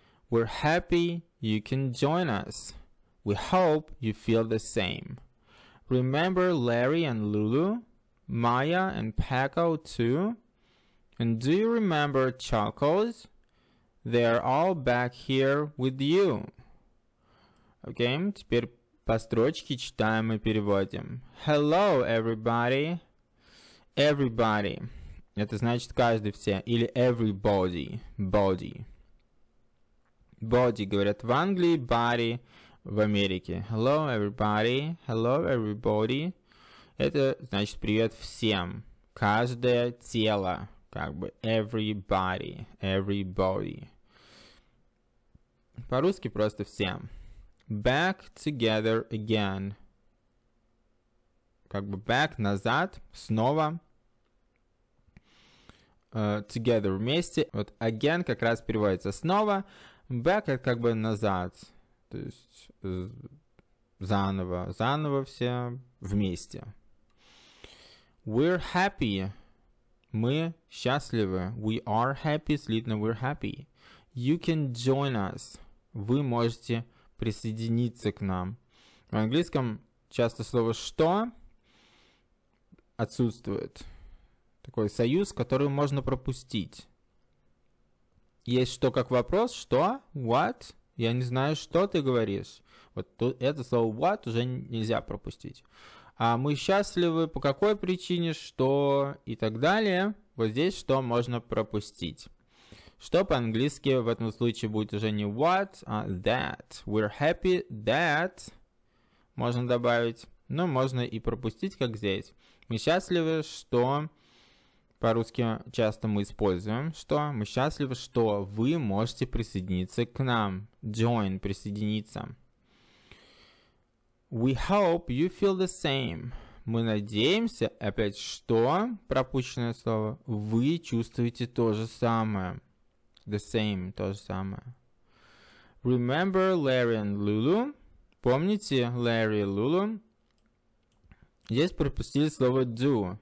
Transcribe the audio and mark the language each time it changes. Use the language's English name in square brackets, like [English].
[English] We're happy you can join us. We hope you feel the same. Remember Larry and Lulu? Maya and Paco too? And do you remember Chocos? They're all back here with you. [Russian] Okay, теперь по строчке читаем и переводим. [English] Hello, everybody. Everybody. [Russian] Это значит каждый все. [English] Или everybody. Body. [Russian] Body, говорят в Англии, body в Америке. [English] Hello, everybody. Hello, everybody. [Russian] Это значит привет всем. Каждое тело. Как бы everybody. Everybody. По-русски просто всем. [English] Back together again. [Russian] Как бы back, назад, снова. Together, вместе. Вот again как раз переводится снова. Back – это как бы назад, то есть заново, заново все вместе. [English] We're happy. [Russian] Мы счастливы. [English] We are happy, слитно, we're happy. You can join us. [Russian] Вы можете присоединиться к нам. В английском часто слово «что» отсутствует. Такой союз, который можно пропустить. Есть что как вопрос, что, what, я не знаю, что ты говоришь. Вот тут это слово what уже нельзя пропустить. А мы счастливы, по какой причине, что и так далее. Вот здесь что можно пропустить. Что по-английски в этом случае будет уже не what, а that. [English] We're happy that [Russian] можно добавить, но можно и пропустить, как здесь. Мы счастливы, что... По-русски часто мы используем, что мы счастливы, что вы можете присоединиться к нам. Join, присоединиться. [English] We hope you feel the same. [Russian] Мы надеемся, опять что, пропущенное слово, вы чувствуете то же самое. [English] The same, [Russian] то же самое. [English] Remember Larry and Lulu? [Russian] Помните Larry и Lulu? Здесь пропустили слово do.